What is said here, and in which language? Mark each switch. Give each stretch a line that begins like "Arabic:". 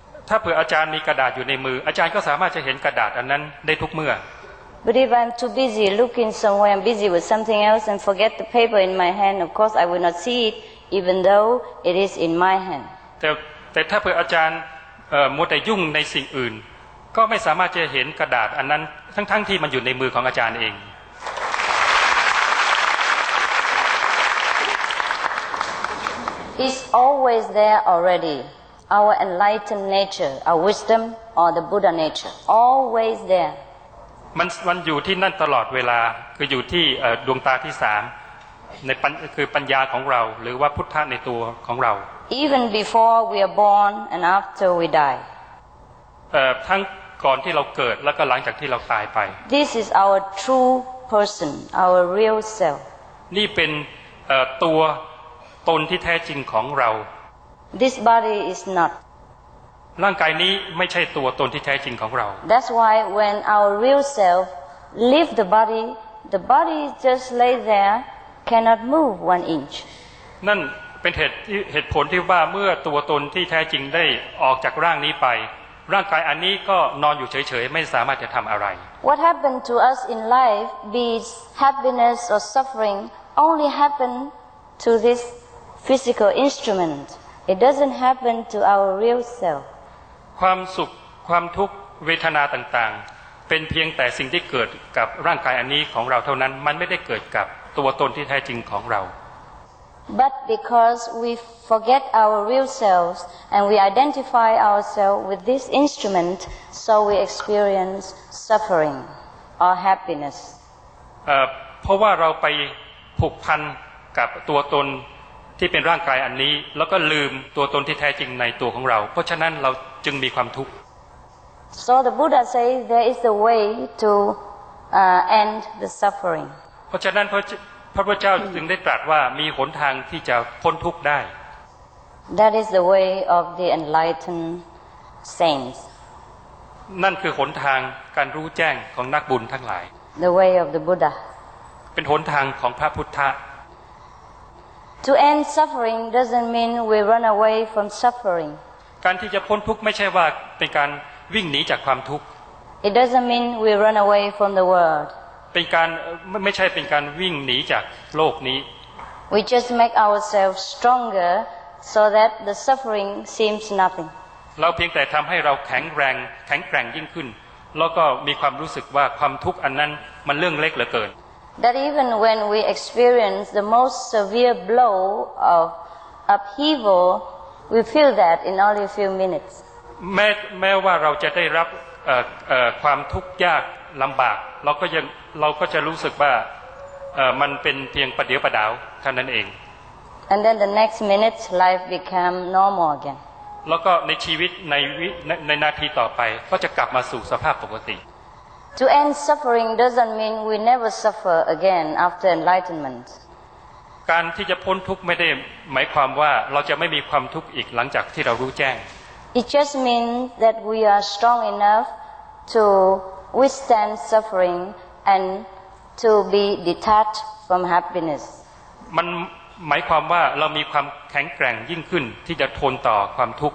Thai: ถ้าเผื่ออาจารย์มีกระดาษอยู่ในมืออาจารย์ก็สามารถจะเห็นกระดาษอันนั้นได้ทุกเมื่อ
English: But if I'm too busy looking somewhere, I'm busy with something else and forget the paper in my hand, of course I will not see it even though it is in my hand.
Thai: แต่ถ้าเผื่ออาจารย์มัวแต่ยุ่งในสิ่งอื่นก็ไม่สามารถจะเห็นกระดาษอันนั้นทั้งที่มันอยู่ในมือของอาจารย์เอง
English: Is always there already. Our enlightened nature, our wisdom, or the Buddha nature, always there.
Thai: มันอยู่ที่นั่นตลอดเวลาคืออยู่ที่ดวงตาที่สามในคือปัญญาของเราหรือว่าพุทธะในตัวของเรา
English: Even before we are born and after we die.
Thai: ทั้งก่อนที่เราเกิดแล้วก็หลังจากที่เราตายไป
English: This is our true person, our real self.
Thai: นี่เป็นตัวตนที่แท้จริงของเรา
English: This body is not
Thai: ร่างกายนี้ไม่ใช่ตัวตนที่แท้จริงของเรา
English: That's why when our real self leave the body just lay there cannot move one inch
Thai: นั่นเป็นเหตุผลที่ว่าเมื่อตัวตนที่แท้จริงได้ออกจากร่างนี้ไปร่างกายอันนี้ก็นอนอยู่เฉยๆไม่สามารถจะทำอะไร
English: What happened to us in life be it happiness or suffering only happen to thisphysical instrument it doesn't happen to our real self
Thai: ความสุขความทุกข์เวทนาต่างๆเป็นเพียงแต่สิ่งที่เกิดกับร่างกายอันนี้ของเราเท่านั้นมันไม่ได้เกิดกับตัวตนที่แท้จริงของเรา
English: but because we forget our real selves and we identify ourselves with this instrument so we experience suffering or happiness
Thai: เพราะว่าเราไปผูกพันกับตัวตนที่เป็นร่างกายอันนี้แล้วก็ลืมตัวตนที่แท้จริงในตัวของเราเพราะฉะนั้นเราจึงมีความทุกข์
English: So the Buddha says there is a way to end the suffering
Thai: เพราะฉะนั้นพระพุทธเจ้าจึงได้ตรัสว่ามีหนทางที่จะพ้นทุกข์ได้
English: That is the way of the enlightened saints
Thai: นั่นคือหนทางการรู้แจ้งของนักบุญทั้งหลาย
English: The way of the Buddha
Thai: เป็นหนทางของพระพุทธะ
English: To end suffering doesn't mean we run away from suffering.
Thai: การที่จะพ้นทุกข์ไม่ใช่ว่าเป็นการวิ่งหนีจากความทุกข์
English: It doesn't mean we run away from the world.
Thai: เป็นการไม่ใช่เป็นการวิ่งหนีจากโลกนี้
English: We just make ourselves stronger so that the suffering seems nothing.
Thai: เราเพียงแต่ทำให้เราแข็งแกร่งยิ่งขึ้นแล้วก็มีความรู้สึกว่าความทุกข์อันนั้นมันเรื่องเล็กเหลือเกิน
English: That even when we experience the most severe blow of upheaval, we feel that in only a few minutes.
Thai: แม้ว่าเราจะได้รับความทุกข์ยากลำบากเราก็จะรู้สึกว่ามันเป็นเพียงประเดี๋ยวประดาวเท่านั้นเอง
English: And then the next minute, life become normal again.
Thai: แล้วก็ในชีวิตในนาทีต่อไปก็จะกลับมาสู่สภาพปกติ
English: To end suffering doesn't mean we never suffer again after enlightenment.
Thai: การที่จะพ้นทุกข์ไม่ได้หมายความว่าเราจะไม่มีความทุกข์อีกหลังจากที่เรารู้แจ้ง
English: It just means that we are strong enough to withstand suffering and to be detached from happiness.
Thai: มันหมายความว่าเรามีความแข็งแกร่งยิ่งขึ้นที่จะทนต่อความทุกข